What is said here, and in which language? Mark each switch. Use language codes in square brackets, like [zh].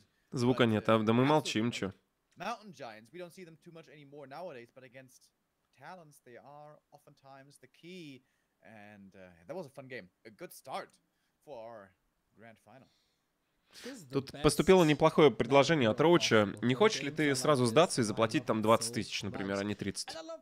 [ru] Звука нет, да мы молчим, чё. [en] Mountain Giants, we don't see them too much anymore nowadays, but against Talons, they are oftentimes the key, and that was a fun game. A good start for our grand final. [ru] Тут поступило неплохое предложение от Роуча. Не хочешь ли ты сразу сдаться и заплатить там 20 тысяч, например, а не 30?